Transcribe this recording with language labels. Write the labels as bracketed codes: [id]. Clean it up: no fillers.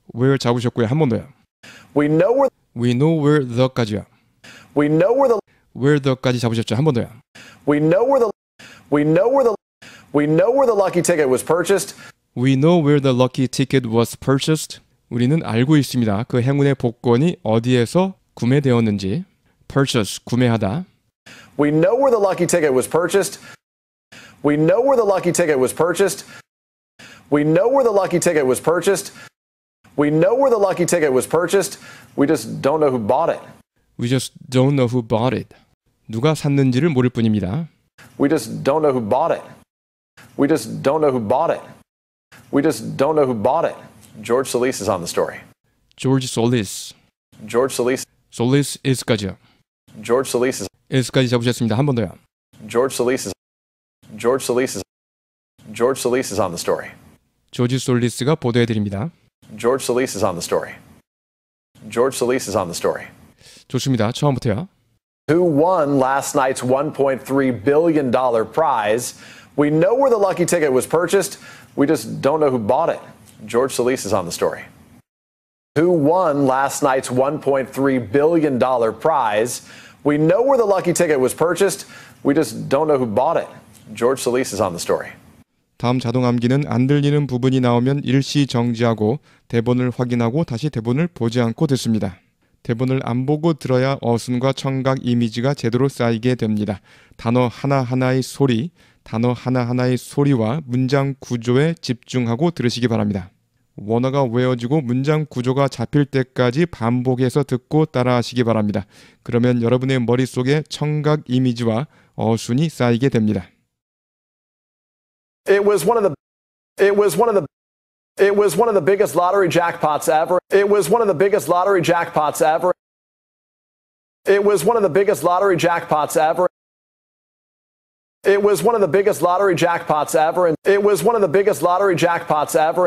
[ko] where 잡으셨고요. 한 번 더요. [en] We know where we know where the까지요. We know where the where the [ko] 까지 잡으셨죠. 한 번 더요. [en] We know where the we know where the we know where the lucky ticket was purchased. We know where the lucky ticket was purchased. [ko] 우리는 알고 있습니다. 그 행운의 복권이 어디에서 구매되었는지. Purchase 구매하다. [en] We know where the lucky ticket was purchased. We know where the lucky ticket was purchased. We know where the lucky ticket was purchased. We know where the lucky ticket was purchased. We just don't know who bought it. We just don't know who bought it. [ko] 누가 샀는지를 모를 뿐입니다. [en] We just don't know who bought it. We just don't know who bought it. We just don't know who bought it. George Solis is on the story. George Solis. George Solis. [ko] Solis is까지요. [en] George Solis is. [ko] is까지 잡으셨습니다. 한 번 더요. [en] George Solis is. George Solis is. George Solis is on the story. [ko] 조지 솔리스가 보도해 드립니다. [en] George Solis is on the story. George Solis is on the story. [ko] 좋습니다. 처음부터요. [en] Who won last night's $1.3 billion prize? We know where the lucky ticket was purchased. We just don't know who bought it. George Solis is on the story. Who won last night's $1.3 billion prize? We know where the lucky ticket was purchased. We just don't know who bought it. George Solis is on the story. [ko] 다음 자동 암기는 안 들리는 부분이 나오면 일시 정지하고 대본을 확인하고 다시 대본을 보지 않고 듣습니다. 대본을 안 보고 들어야 어순과 청각 이미지가 제대로 쌓이게 됩니다. 단어 하나하나의 소리, 단어 하나하나의 소리와 문장 구조에 집중하고 들으시기 바랍니다. 원어가 외워지고 문장 구조가 잡힐 때까지 반복해서 듣고 따라하시기 바랍니다. 그러면 여러분의 머릿속에 청각 이미지와 어순이 쌓이게 됩니다. [en] It was one of the biggest lottery jackpots ever. It was one of the biggest lottery jackpots ever. It was one of the biggest lottery jackpots ever. It was one of the biggest lottery jackpots ever. And it was one of the biggest lottery jackpots ever.